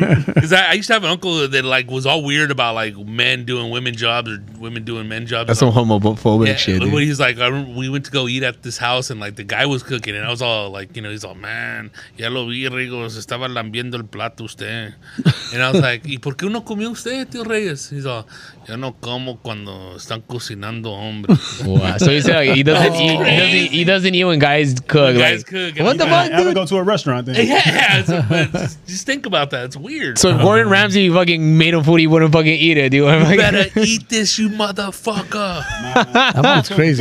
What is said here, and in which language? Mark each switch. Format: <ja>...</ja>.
<en>Because I used to have an uncle that like was all weird about like men doing women jobs or women doing men jobs. That's like, some homophobic shit. But he's like, I remember we went to go eat at this house, and like the guy was cooking, and I was all like, you know, he's all, man,</en> <es>ya lo vi, Rigo, se estaba lambiendo el plato usted.</es> <en>And I was like,</en> <es>¿y por qué uno comió usted, tío Reyes?</es> <en>He's all,</en> <es>yo no como cuando están cocinando hombres.</es> <en>Wow. So he said like, he doesn't eat when guys cook. When guys like, cook. What the fuck, dude? I would go to a restaurant then. Yeah. Just think about that. It's weird. So if Gordon Ramsay fucking made him food, he wouldn't fucking eat it, dude. You better eat this, you motherfucker. Nah, that's crazy.</en>